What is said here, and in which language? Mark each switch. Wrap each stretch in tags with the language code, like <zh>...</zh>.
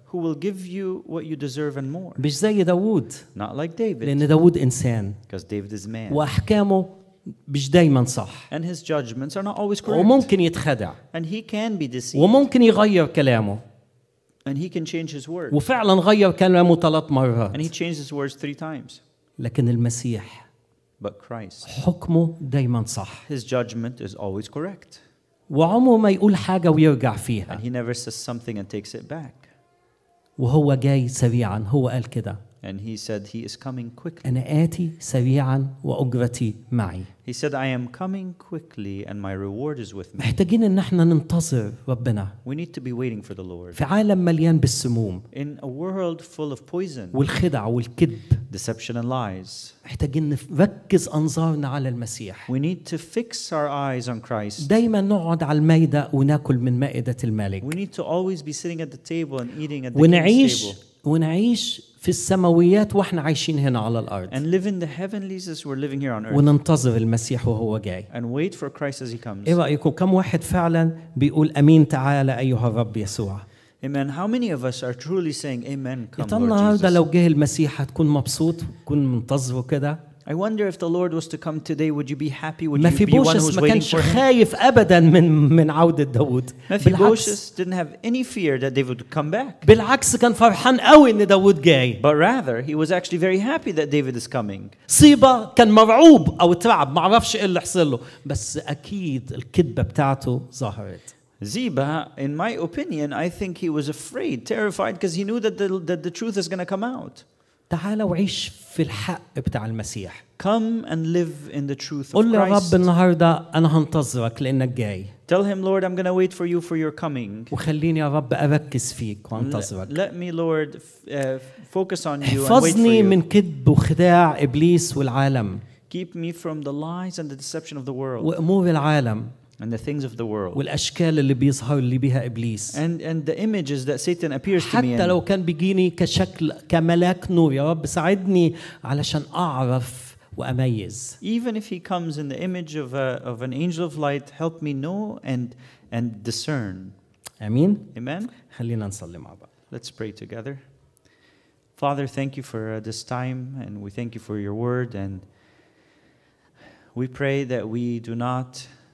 <en>Who will give you what you deserve and more?</en> <ar>مش زي داود.</ar> <en>Not like David.</en> <ar>لان داود انسان.</ar> <en>Because David is man.</en> <ar>واحكامه مش دايما صح.</ar> <en>And his judgments are not always correct.</en> <ar>وممكن يتخدع.</ar> <en>And he can be deceived.</en> <ar>وممكن يغير كلامه.</ar> <en>And he can change his words.</en> <ar>وفعلا غير كلامه ثلاث مرات.</ar> <en>And he changed his words three times.</en> <ar>لكن المسيح.</ar> <en>But Christ.</en> <ar>حكمه دايما صح.</ar> <en>His judgment is always correct.</en> <ar>وعمره ما يقول حاجة ويرجع فيها.</ar> <en>And he never says something and takes it back.</en> <ar>وهو جاي سريعا، هو قال كده.</ar> <en>And he said he is coming quickly.</en> <ar>أنا آتي سريعاً وأجرتي معي.</ar> <en>He said I am coming quickly and my reward is with me.</en> <ar>محتاجين إن إحنا ننتظر ربنا.</ar> <en>We need to be waiting for the Lord.</en> <ar>في عالم مليان بالسموم.</ar> <en>In a world full of poison.</en> <ar>والخدع والكذب.</ar> <en>Deception and lies.</en> <ar>محتاجين نركز أنظارنا على المسيح.</ar> <en>We need to fix our eyes on Christ.</en> <ar>دايماً نقعد على المائدة وناكل من مائدة الملك.</ar> <en>We need to always be sitting at the table and eating at the</en> <ar>ونعيش</ar> <en>table.</en> <ar>ونعيش في السماويات واحنا عايشين هنا على الارض.</ar> <en>And live in the heavenlies as we're living here on earth.</en> <ar>وننتظر المسيح وهو جاي.</ar> <en>And wait for Christ as he comes.</en> <ar>ايه رايكم كم واحد فعلا بيقول امين تعالى ايها الرب يسوع؟</ar> <en>Amen. How many of us are truly saying amen come Lord</en> <ar>Jesus؟ النهارده لو جه المسيح هتكون مبسوط تكون منتظره كده؟</ar> <en>I wonder if the Lord was to come today, would you be happy? Would you be one who's waiting for him?</en> <ar>خايف أبدا من عودة داود.</ar> <en>Mephibosheth didn't have any fear that David would come back.</en> <ar>بالعكس كان فرحان قوي إن داود جاي.</ar> <en>But rather, he was actually very happy that David is coming.</en> <ar>صيبة كان مرعوب أو ترعب ما عرفش إيه اللي حصل له. بس أكيد الكذبة بتاعته ظهرت.</ar> <en>Ziba, in my opinion, I think he was afraid, terrified, because he knew that the truth is going to come out.</en> <ar>تعال وعيش في الحق بتاع المسيح.</ar> <en>Come and live in the truth of</en> <ar>قل</ar> <en>Christ.</en> <ar>قل للرب النهاردة أنا هنتظرك لأنك جاي.</ar> <en>Tell him, Lord, I'm going to wait for you for your coming.</en> <ar>وخليني يا رب أركز فيك وانتظرك.</ar> <en>Let me, Lord, focus on you.</en> <ar>احفظني من كذب وخداع إبليس والعالم.</ar> <en>Keep me from the lies and the deception of the world.</en> <ar>وأمور العالم.</ar> <en>And the things of the world.</en> <ar>والأشكال اللي بيظهر اللي بيها إبليس.</ar> <en>And the images that Satan appears to me.</en> <ar>حتى لو كان بيجيني كشكل كملاك نور يا رب ساعدني علشان أعرف وأميز.</ar> <en>Even if he comes in the image of an angel of light, help me know and discern.</en> <ar>آمين.</ar> <en>Amen.</en> <ar>خلينا نصلي مع بعض.</ar> <en>Let's pray together. Father, thank you for this time, and we thank you for your word, and we pray that we do not.</en>